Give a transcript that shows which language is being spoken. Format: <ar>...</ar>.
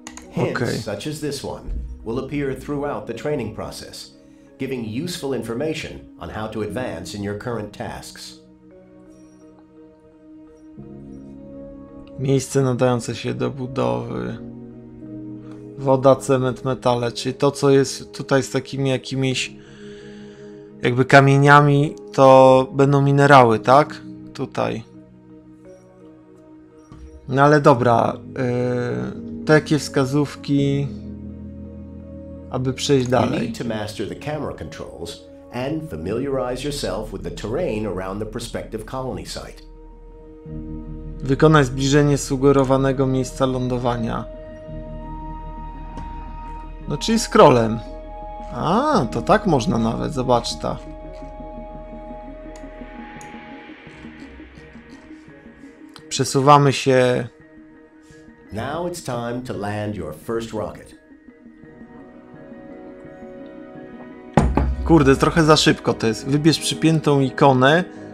<en>Hints such as this one will appear throughout the training process, giving useful information on how to advance in your current tasks.</en> <pl>Miejsce nadające się do budowy. Woda, cement, metale, czyli to, co jest tutaj z takimi jakimiś jakby kamieniami, to będą minerały, tak? Tutaj. No ale dobra. Takie wskazówki, aby przejść dalej.</pl> <en>You need to master the camera controls and familiarize yourself with the terrain around the prospective colony site.</en> <pl>Wykonaj zbliżenie sugerowanego miejsca lądowania. No czyli scrollem. A, to tak można nawet, zobacz ta. Przesuwamy się.</pl> <en>Now it's time to land your first rocket.</en> <pl>Kurde, trochę za szybko to jest. Wybierz przypiętą ikonę.</pl>